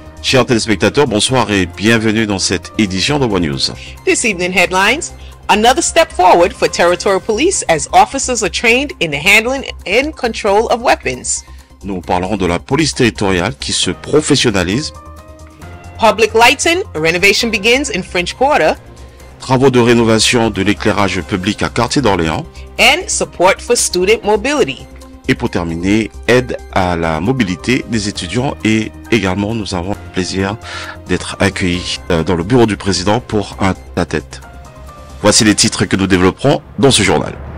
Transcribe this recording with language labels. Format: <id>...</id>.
<fr>Chers téléspectateurs, bonsoir et bienvenue dans cette édition de Our News.</fr> <en>This evening headlines, another step forward for Territorial Police as officers are trained in the handling and control of weapons.</en> <fr>Nous parlerons de la police territoriale qui se professionnalise.</fr> <en>Public lighting, renovation begins in French Quarter.</en> <fr>Travaux de rénovation de l'éclairage public à quartier d'Orléans.</fr> <en>And support for student mobility.</en> <fr>Et pour terminer, aide à la mobilité des étudiants et également nous avons le plaisir d'être accueillis dans le bureau du président pour un tête-à-tête. Voici les titres que nous développerons dans ce journal.</fr>